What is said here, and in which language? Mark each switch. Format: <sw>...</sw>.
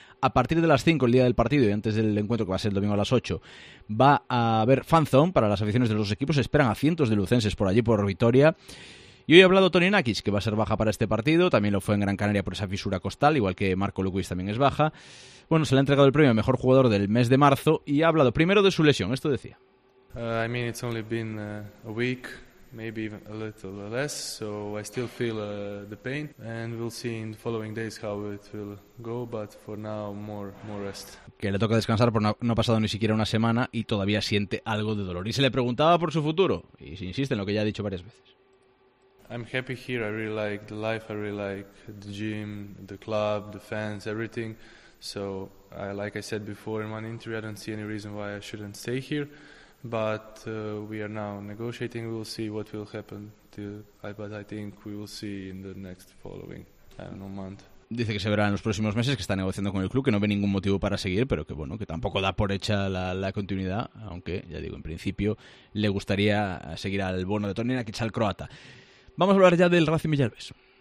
<es>A partir de las 5, el día del partido, y antes del encuentro, que va a ser el domingo a las 8, va a haber fanzone para las aficiones de los equipos. Esperan a cientos de lucenses por allí, por Vitoria. Y hoy ha hablado Toni Nakis, que va a ser baja para este partido. También lo fue en Gran Canaria por esa fisura costal, igual que Marco Lucuis también es baja. Bueno, se le ha entregado el premio a mejor jugador del mes de marzo y ha hablado primero de su lesión. Esto decía.</es> <en>It's only been a week, maybe a little less, so I still feel the pain, and we'll see in the following days how it will go, but for now more rest.</en> <es>Que le toca descansar por no ha pasado ni siquiera una semana y todavía siente algo de dolor. Y se le preguntaba por su futuro y se insiste en lo que ya ha dicho varias veces.</es> <en>I'm happy here. I really like the life. I really like the gym, the club, the fans, everything. So, like I said before in one interview, I don't see any reason why I shouldn't stay here. But we are now negotiating. We'll see what will happen. But I think we will see in the next following, I don't know, month.</en> <es>Dice que se verá en los próximos meses, que está negociando con el club, que no ve ningún motivo para seguir, pero que bueno, que tampoco da por hecha la continuidad. Aunque, ya digo, en principio le gustaría seguir al bono de Toni Nakić, al croata. Vamos a hablar ya del Racing Villalbés.</es>